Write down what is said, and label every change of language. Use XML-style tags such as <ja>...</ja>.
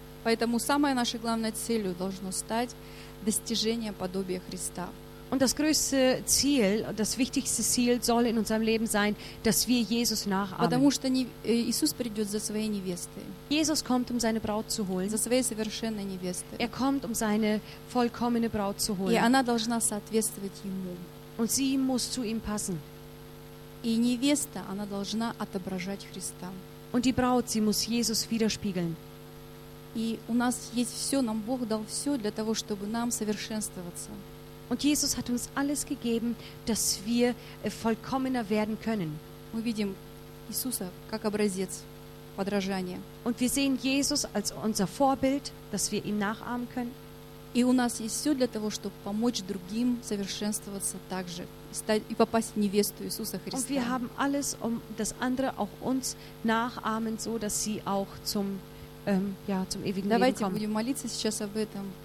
<ru>Поэтому самой нашей главной целью должно стать достижение подобия Христа.</ru> <de>Und das größte Ziel, das wichtigste Ziel soll in unserem Leben sein, dass wir Jesus nachahmen.</de> <ru>Потому что Иисус придет за своей невестой.</ru> <de>Jesus kommt, um seine Braut zu holen.</de> <ru>За своей совершенной невестой.</ru> <de>Er kommt, um seine vollkommene Braut zu holen.</de> <ru>И она должна соответствовать ему.</ru> <de>Und sie muss zu ihm passen.</de> <ru>И невеста, она должна отображать Христа.</ru> <de>Und die Braut, sie muss Jesus widerspiegeln.</de> <ru>И у нас есть все, нам Бог дал все для того, чтобы нам совершенствоваться.</ru> <de>Und Jesus hat uns alles gegeben, dass wir vollkommener werden können.</de> <ru>Мы видим Иисуса как образец подражания.</ru> <de>Und wir sehen Jesus als unser Vorbild, dass wir ihm nachahmen können.</de> <ru>И у нас есть все для того, чтобы помочь другим совершенствоваться также и попасть в невесту Иисуса Христа.</ru> <de>Und wir haben alles, um das andere auch uns nachahmen, so dass sie auch zum ewigen Leben kommen.</de> <ru>Давайте будем молиться сейчас об этом.</ru>